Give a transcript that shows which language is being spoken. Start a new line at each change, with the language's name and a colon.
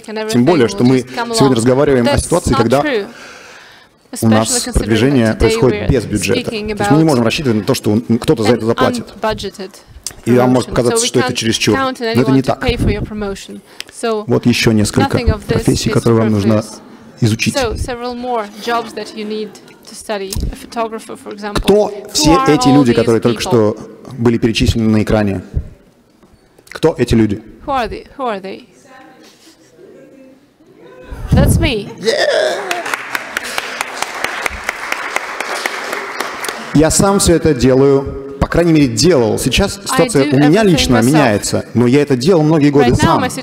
Russian: Тем более, что мы сегодня разговариваем о ситуации, когда у нас продвижение происходит без бюджета. То есть мы не можем рассчитывать на то, что кто-то за это заплатит. И вам может показаться, что это чересчур, но это не так. Вот еще несколько профессий, которые вам нужно изучить.
English: So, several more jobs that you need to study. A photographer, for example.
Russian: Кто все эти люди, которые только что были перечислены на экране. Кто эти люди?
English: Who are they? Who are they? That's me.
Russian: Я сам все это делаю, по крайней мере, делал. Сейчас ситуация у меня лично меняется, но я это делал многие годы сам.